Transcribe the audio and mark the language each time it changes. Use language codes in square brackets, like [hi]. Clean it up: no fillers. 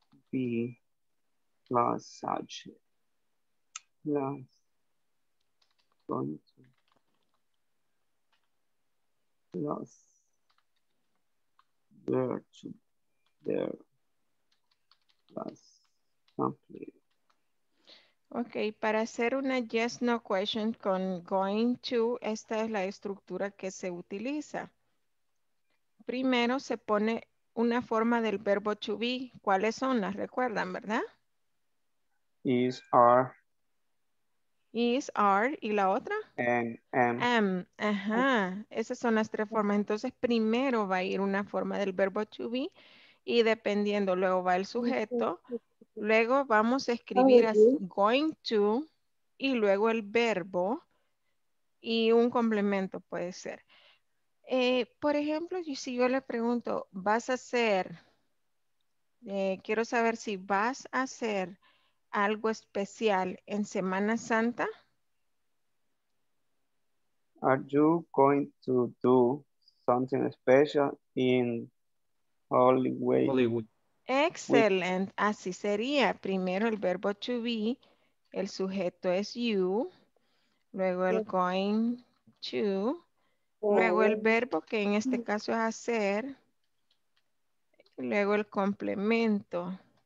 [en] Be plus such plus going to plus there to there plus complete. [es] Okay, para hacer una yes no question con going to, esta es la estructura que se utiliza. Primero se pone una forma del verbo to be. ¿Cuáles son? ¿Las recuerdan, verdad? [en] Is, are. Is, are, [es] ¿y la otra? [en] Am. [es] Ajá, esas son las tres formas. Entonces, primero va a ir una forma del verbo to be y dependiendo, luego va el sujeto. Luego vamos a escribir as going to y luego el verbo y un complemento puede ser. Por ejemplo, si yo le pregunto, ¿vas a hacer? Quiero saber si vas a hacer algo especial en Semana Santa. [en] Are you going to do something special in Hollywood? Excellent. [es] Así sería. Primero el verbo to be, el sujeto es you, luego el going to, luego el verbo que en este caso es hacer, luego el complemento.